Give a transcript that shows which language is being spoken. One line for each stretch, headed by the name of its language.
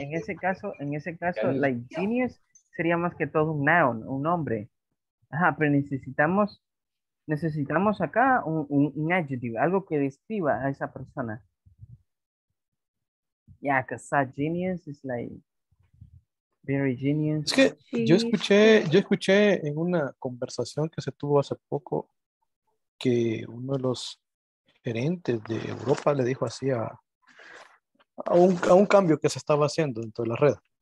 Spanish: En ese caso, like genius sería más que todo un noun, un nombre. Ajá, pero necesitamos acá un adjective, algo que describa a esa persona.
English: Yeah, because that genius is like very genius.
Spanish: Es que yo escuché en una conversación que se tuvo hace poco que uno de los gerentes de Europa le dijo así a un cambio que se estaba haciendo dentro de la red.